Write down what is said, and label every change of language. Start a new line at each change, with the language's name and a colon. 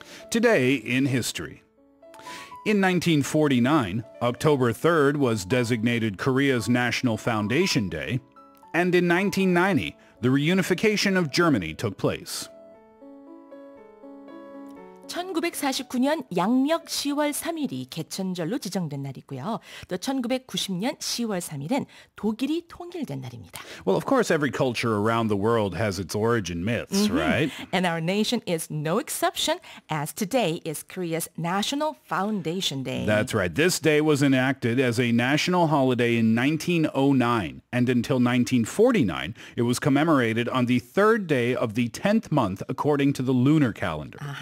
English: Today in history. In 1949, October 3rd was designated Korea's National Foundation Day. And in 1990, the reunification of Germany took place.
Korean: 1949년 양력 10월 3일이 개천절로 지정된 날이고요. 또 1990년 10월 3일은 독일이 통일된 날입니다.
English: Well, of course, every culture around the world has its origin myths, right? And our nation is no exception, as today is Korea's National Foundation Day. That's right. This day was enacted as a national holiday in 1909. And until 1949, it was commemorated on the third day of the 10th month, according to the lunar calendar.